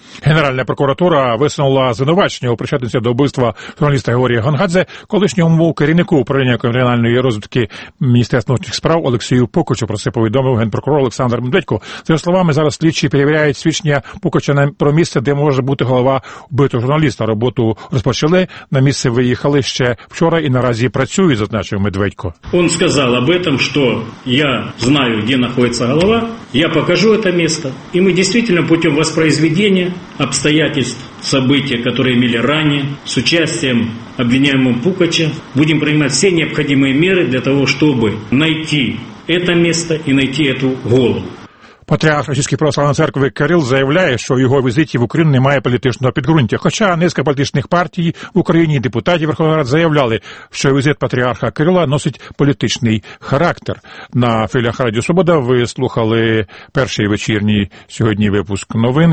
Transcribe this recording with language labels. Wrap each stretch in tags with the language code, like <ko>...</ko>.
<uk>Генеральна прокуратура висунула звинувачення у причетності до вбивства журналіста Георгія Гонгадзе колишньому керівнику управління кримінальної розвитки Міністерства внутрішніх справ Олексію Пукачу. Про це повідомив генпрокурор Олександр Медведько. За його словами, зараз слідчі перевіряють свідчення Пукача на про місце, де може бути голова вбитого журналіста. Роботу розпочали, на місце виїхали ще вчора і наразі працюють, зазначив Медведько. Він сказав об этом, що я знаю, де знаходиться голова, я покажу це місце, і ми дійсно</uk> <ru>путем воспроизведения обстоятельств, события, которые имели ранее, с участием обвиняемого Пукача, будем принимать все необходимые меры для того, чтобы найти это место и найти эту голову.</ru> <uk>Патріарх Російської православної церкви Кирил заявляє, що в його візиті в Україну немає політичного підґрунтя. Хоча низка політичних партій в Україні депутатів Верховної Ради заявляли, що візит патріарха Кирила носить політичний характер. На філях Радіо Свобода ви слухали перший вечірній сьогодні випуск новин.</uk>